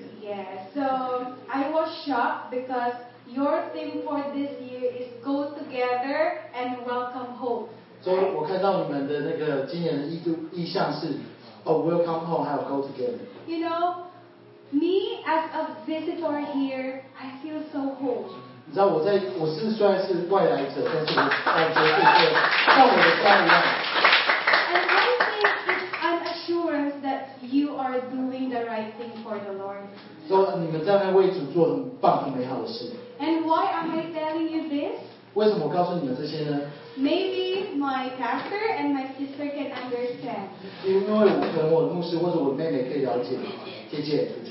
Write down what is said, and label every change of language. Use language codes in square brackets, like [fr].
[en] Yeah, so I was shocked because your theme for this year is go together and welcome home. So I saw welcome home and go together. You know, me as a visitor here, I feel so home. [zh] 你知道我在我是虽然是外来者，但是我在这里，但我的家一样。And [en] I think it's an assurance that you are doing the right thing for the Lord. [zh] 所以你们在那为主做很棒、很美好的事。And [en] why am I telling you this? [zh] 为什么我告诉你们这些呢？ [en] Maybe my pastor and my sister can understand. [zh] 因为可能我的牧师或者我妹妹可以了解，姐姐。